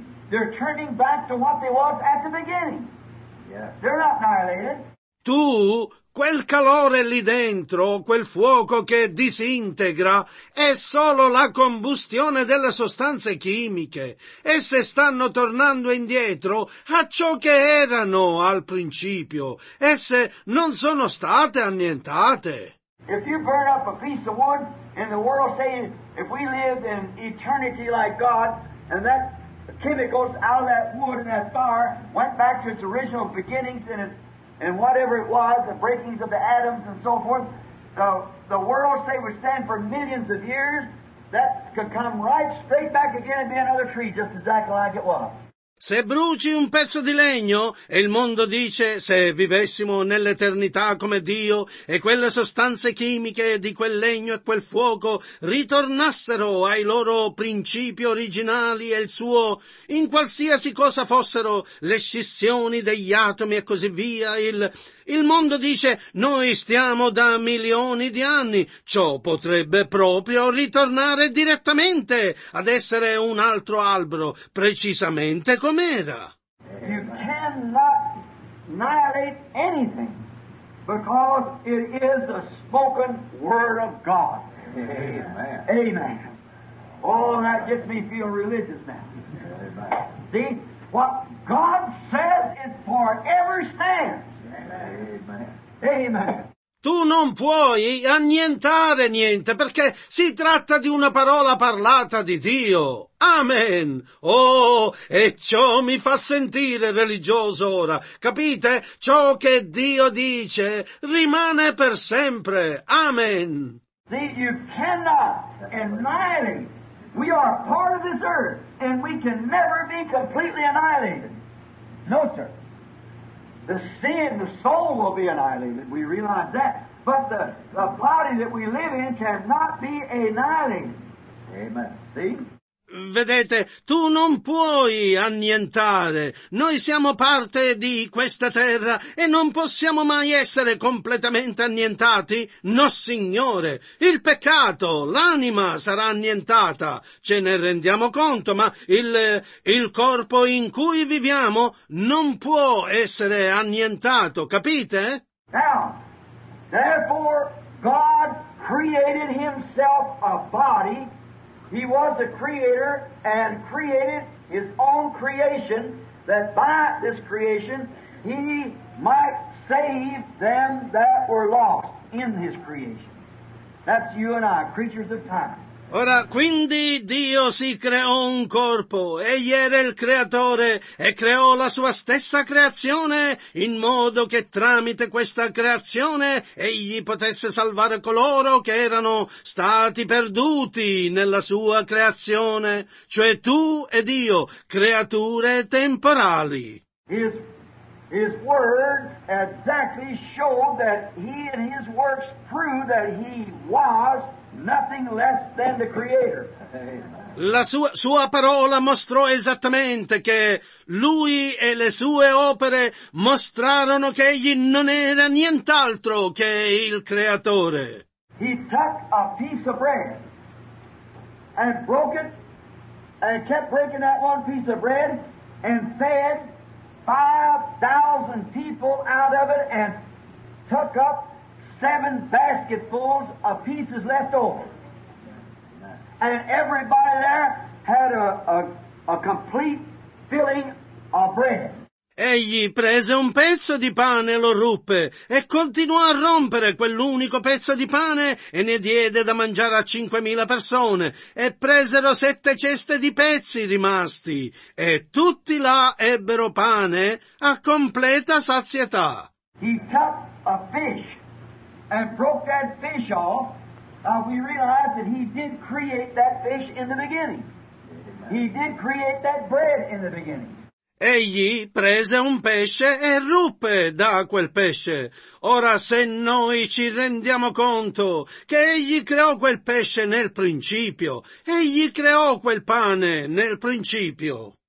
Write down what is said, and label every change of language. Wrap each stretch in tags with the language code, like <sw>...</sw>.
<en>They're turning back to what they was at the beginning. Yeah. They're not annihilated.</en> <it>Tu, quel calore lì dentro, quel fuoco che disintegra, è solo la combustione delle sostanze chimiche. Esse stanno tornando indietro a ciò che erano al principio. Esse non sono state annientate.</it> <en>If you burn up a piece of wood, and the world saying, if we live in eternity like God, and that chemicals out of that wood and that fire went back to its original beginnings and its and whatever it was, the breakings of the atoms and so forth. The world say would stand for millions of years, that could come right straight back again and be another tree, just exactly like it was.</en> <it>Se bruci un pezzo di legno, e il mondo dice, se vivessimo nell'eternità come Dio, e quelle sostanze chimiche di quel legno e quel fuoco ritornassero ai loro principi originali e il suo, in qualsiasi cosa fossero le scissioni degli atomi e così via, il mondo dice, noi stiamo da milioni di anni, ciò potrebbe proprio ritornare direttamente ad essere un altro albero, precisamente com'era.</it> <en>You cannot annihilate anything because it is the spoken word of God. Amen. Amen. Oh, that gets me feeling religious now. Amen. See, what God says it forever stands. Amen. Amen.</en> <it>Tu non puoi annientare niente perché si tratta di una parola parlata di Dio. Amen. Oh, e ciò mi fa sentire religioso ora. Capite? Ciò che Dio dice rimane per sempre. Amen.</it> <en>See, you cannot annihilate. We are part of this earth and we can never be completely annihilated. No, sir. The sin, the soul will be annihilated. We realize that. But the body that we live in cannot be annihilated. Amen. See?</en> <it>Vedete, tu non puoi annientare. Noi siamo parte di questa terra e non possiamo mai essere completamente annientati. No, Signore. Il peccato, l'anima sarà annientata. Ce ne rendiamo conto, ma il corpo in cui viviamo non può essere annientato, capite?</it> <en>Now, therefore, God created himself a body. He was the creator and created his own creation that by this creation he might save them that were lost in his creation. That's you and I, creatures of time.</en> <it>Ora, quindi Dio si creò un corpo, egli era il creatore e creò la sua stessa creazione in modo che tramite questa creazione egli potesse salvare coloro che erano stati perduti nella sua creazione, cioè tu ed io, creature temporali.</it> <en>His word exactly showed that he and his works proved that he was nothing less than the creator.</en> <it>La sua parola mostrò esattamente che lui e le sue opere mostrarono che egli non era nient'altro che il creatore.</it> <en>He took a piece of bread and broke it and kept breaking that one piece of bread and fed 5,000 people out of it and took up 7 basketfuls of pieces left over. And everybody there had a complete filling of bread.</en> <it>Egli prese un pezzo di pane e lo ruppe e continuò a rompere quell'unico pezzo di pane e ne diede da mangiare a 5,000 persone e presero 7 ceste di pezzi rimasti e tutti là ebbero pane a completa sazietà.</it> <en>He took a fish and broke that fish off. We realize that he did create that fish in the beginning. He did create that bread in the beginning.</en> <it>Egli prese un pesce e ruppe da quel pesce. Ora, se noi ci rendiamo conto che egli creò quel pesce nel principio, egli creò quel pane nel principio.</it>